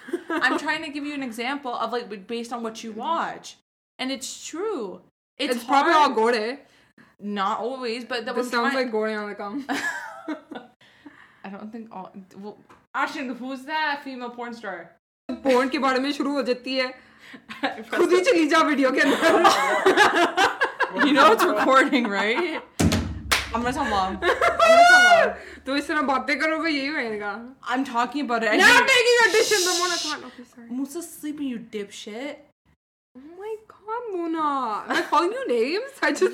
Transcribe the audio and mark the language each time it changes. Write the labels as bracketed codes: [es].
[en] I'm trying to give you an example of, like, based on what you watch. And it's true. It's probably all gore. Not always, but that was sounds trying... like gore on the gum. I don't think all... Well, Ashton, who's that female porn star? [hi] Porn के बारे में शुरू हो जाती है। खुद ही चली जा वीडियो के अंदर। [en] You know it's recording, right? I'm talking about it. Now I'm making your dish in the morning. Okay, sorry. Musa's sleeping, you dipshit. Oh my God, Mona. Am I calling you names? I just